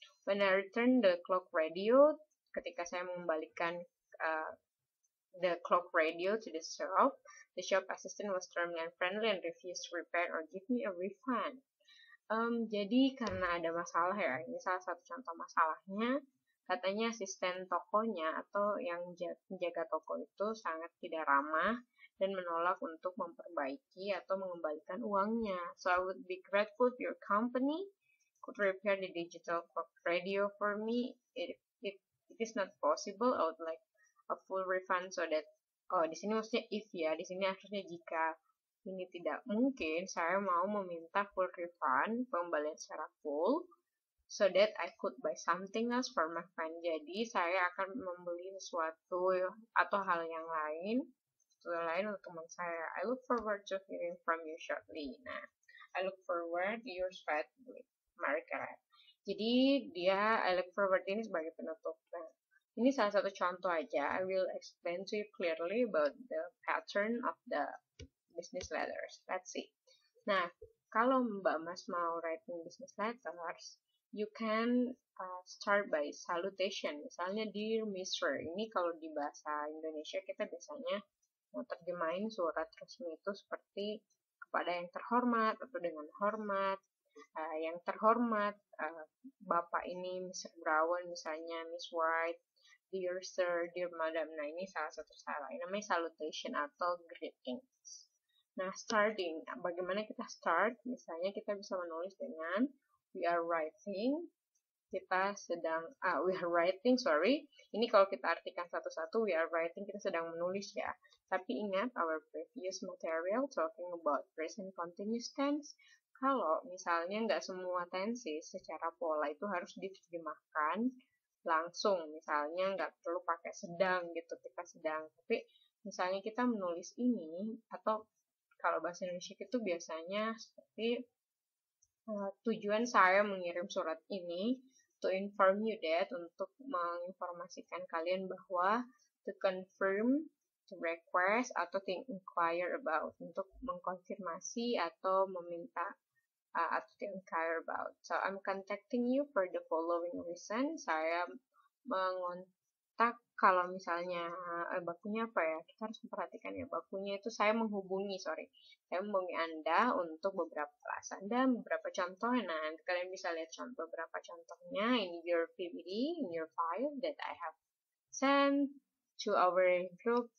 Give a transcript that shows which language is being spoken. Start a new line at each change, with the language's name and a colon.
English: When I return the clock radio,
Indonesian: ketika saya mengembalikan
English: the clock radio to the shop, the shop assistant was terminal and friendly and refused to repair or give me a refund.
Indonesian: Jadi karena ada masalah ya, ini salah satu contoh masalahnya, katanya asisten tokonya atau yang menjaga toko itu sangat tidak ramah dan menolak untuk memperbaiki atau mengembalikan uangnya.
English: So I would be grateful if your company could repair the digital clock radio for me. It is not possible. I would like a full refund so that, oh,
Indonesian: di sini maksudnya
English: if
Indonesian: ya, di sini akhirnya jika ini tidak mungkin, saya mau meminta
English: full refund,
Indonesian: pembalian secara full,
English: so that I could buy something else for my friend.
Indonesian: Jadi, saya akan membeli sesuatu atau hal yang lain, sesuatu lain untuk teman saya.
English: I look forward to hearing from you shortly. Nah, I look forward to your chat with Margaret.
Indonesian: Jadi, dia,
English: I look forward
Indonesian: ini sebagai penutup. Ini salah satu contoh aja.
English: I will explain to you clearly about the pattern of the business letters. Let's see.
Indonesian: Nah, kalau Mbak Mas mau
English: writing business letters, you can start by salutation.
Indonesian: Misalnya,
English: dear mister.
Indonesian: Ini kalau di bahasa Indonesia kita biasanya mau terjemahin surat resmi itu seperti kepada yang terhormat atau dengan hormat. Yang terhormat, Bapak ini, Mr. Brown, misalnya, Miss White.
English: Dear sir, dear madam,
Indonesian: nah ini salah satu cara, ini namanya salutation atau greetings. Nah, starting, bagaimana kita start? Misalnya kita bisa menulis dengan
English: we are writing,
Indonesian: kita sedang, we are writing, sorry. Ini kalau kita artikan satu-satu,
English: we are writing,
Indonesian: kita sedang menulis ya. Tapi ingat,
English: our previous material talking about present continuous tense.
Indonesian: Kalau misalnya nggak semua tenses secara pola itu harus diterjemahkan langsung, misalnya nggak perlu pakai sedang gitu, kita sedang, tapi misalnya kita menulis ini, atau kalau bahasa Indonesia itu biasanya seperti tujuan saya mengirim surat ini,
English: to inform you that,
Indonesian: untuk menginformasikan kalian bahwa,
English: to confirm, to request,
Indonesian: atau
English: to inquire about,
Indonesian: untuk mengkonfirmasi atau meminta, atau to inquire about.
English: So, I'm contacting you for the following reason.
Indonesian: Saya mengontak kalau misalnya bakunya apa ya? Kita harus memperhatikan ya. Bakunya itu saya menghubungi, sorry. Saya menghubungi Anda untuk beberapa alasan dan beberapa contoh. Nah, kalian bisa lihat contoh beberapa contohnya
English: in your PPT, in your file that I have sent to our group.